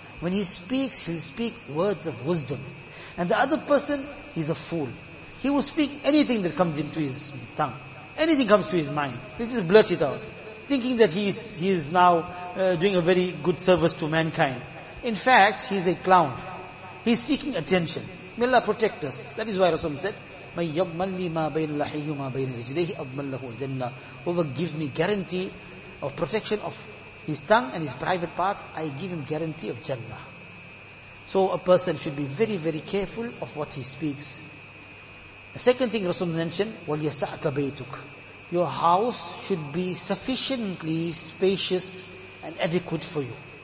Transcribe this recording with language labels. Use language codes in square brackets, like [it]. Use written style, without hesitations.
[en] When he speaks, he'll speak words of wisdom. And the other person, he's a fool. He will speak anything that comes into his tongue. Anything comes to his mind. He'll just blurt it out, thinking that he is now doing a very good service to mankind. In fact, he's a clown. He's seeking attention. May Allah protect us. That is why Rasulullah said, [ar] مَنْ يَضْمَنْ لِي مَا بَيْنَ لَحِيُّ مَا بَيْنَ رِجْلَيْهِ أَضْمَنْ لَهُ الْجَنَّةِ. [en] Whoever gives me guarantee of protection of his tongue and his private parts, I give him guarantee of Jannah. So a person should be very, very careful of what he speaks. The second thing Rasul mentioned, [ar] وَلْيَسَعْكَ بَيْتُكَ. [en] Your house should be sufficiently spacious and adequate for you.